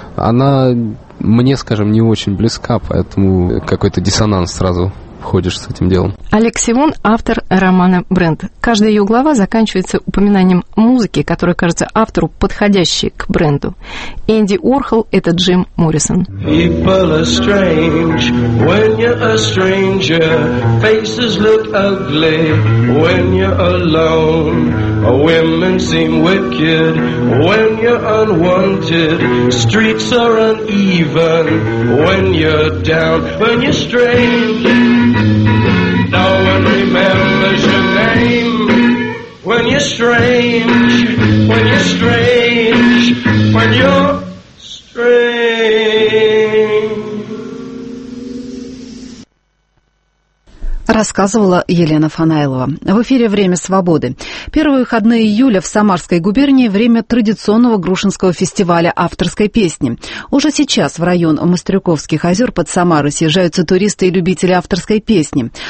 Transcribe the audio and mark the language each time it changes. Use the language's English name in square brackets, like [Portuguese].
[Russian] Она мне, скажем, не очень близка, поэтому какой-то диссонанс сразу входишь с этим делом. Алексей Вон – автор романа «Бренд». Каждая ее глава заканчивается упоминанием музыки, которая кажется автору подходящей к бренду. Энди Уорхол – это Джим Моррисон. [English] People are strange when you're a stranger. Faces look ugly when you're alone. Women seem wicked when you're unwanted. Streets are uneven when you're down. When you're strange, no one remembers your name. When you're strange, when you're strange, when you're strange. [Russian] Рассказывала Елена Фанайлова. В эфире «Время свободы». Первые выходные июля в Самарской губернии – время традиционного Грушинского фестиваля авторской песни. Уже сейчас в район Мастрюковских озер под Самарой съезжаются туристы и любители авторской песни.